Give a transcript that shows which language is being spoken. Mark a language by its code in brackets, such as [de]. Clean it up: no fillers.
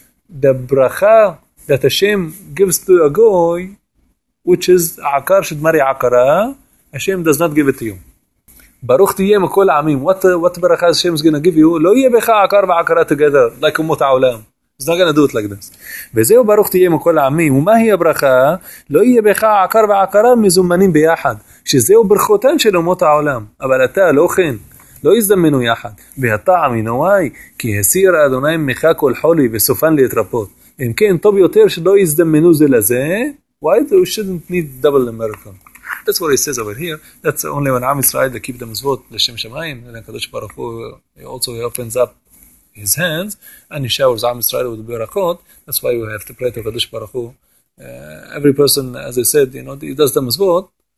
[en] The bracha that Hashem gives to a goy, which is akar should marry akara, Hashem does not give it to you. Baruch tiyem kol amim, what bracha Hashem is going to give you? [he] Lo yeh becha akar va'akara [en] together, like umot ha'olam. It's not going to do it like this. [he] וזהו ברוך תהיה מכל העמים, ומה היא הברכה? לא יהיה בך עקר ועקרה מזומנים ביחד, שזהו ברכותן של אומות העולם. אבל אתה לא כן, לא יזדמנו יחד. והטעם ינוי, כי הסיר אדוני ממך כל חולי וסופן להתרפות. אם כן, טוב יותר שלא יזדמנו זה לזה. [en] Why do we shouldn't need double American? That's what he says over here. That's only when עם ישראל to keep the מצוות לשם שמיים. And הקדוש ברוך הוא, also he opens up his hands, and he showers Am Yisrael with Berachot. That's why we have to pray to Kadosh Baruch Hu. Every person, as I said, you know, he does the mitzvot.